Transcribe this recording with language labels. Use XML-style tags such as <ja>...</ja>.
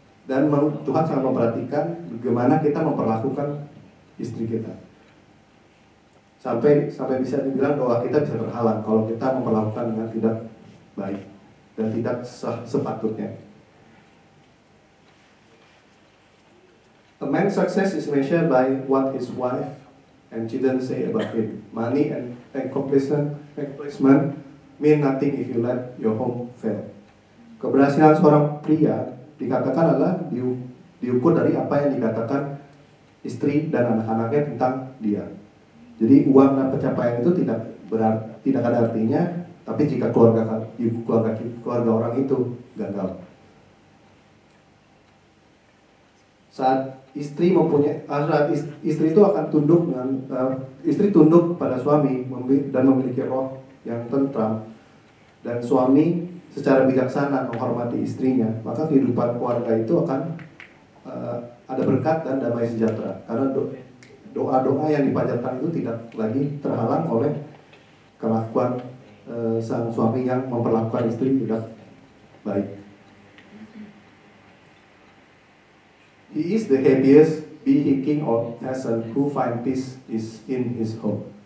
<id>Dan Tuhan sangat memperhatikan bagaimana kita memperlakukan istri kita. Sampai bisa dibilang doa kita bisa terhalang kalau kita memperlakukan dengan tidak baik dan tidak sepatutnya.</id> <en>A man's success is measured by what his wife and children say about him. Money and accomplishment mean nothing if you let your home fail.</en> <id>Keberhasilan seorang pria dikatakan adalah diukur dari apa yang dikatakan istri dan anak-anaknya tentang dia. Jadi uang dan pencapaian itu tidak ada artinya, tapi jika keluarga orang itu gagal. Saat istri mempunyai istri itu akan tunduk dengan istri tunduk pada suami dan memiliki roh yang tentram, dan suami secara bijaksana menghormati istrinya, maka kehidupan keluarga itu akan ada berkat dan damai sejahtera, karena doa-doa yang dipanjatkan itu tidak lagi terhalang oleh kelakuan sang suami yang memperlakukan istri tidak baik.</id> <en>He is the happiest, be he king or peasant, who find peace is in his home.</en>